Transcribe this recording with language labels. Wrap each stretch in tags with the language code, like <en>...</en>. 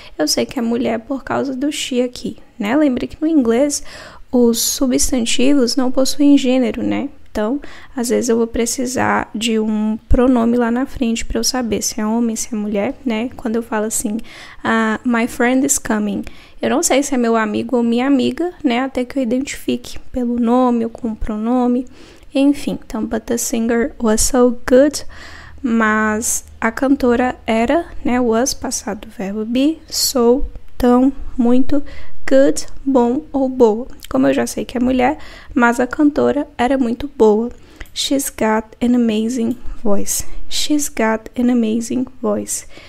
<pt>Eu sei que é mulher por causa do she aqui, né? Lembre que no inglês os substantivos não possuem gênero, né? Então, às vezes eu vou precisar de um pronome lá na frente para eu saber se é homem, se é mulher, né? Quando eu falo assim,</pt> <en>my friend is coming.</en> <pt>Eu não sei se é meu amigo ou minha amiga, né? Até que eu identifique pelo nome ou com o pronome. Enfim, então,</pt> <en>but the singer was so good.</en> <pt>Mas a cantora era, né? Was, passado do verbo be, so, tão, muito, good, bom ou boa. Como eu já sei que é mulher, mas a cantora era muito boa.</pt> <en>She's got an amazing voice. She's got an amazing voice.</en>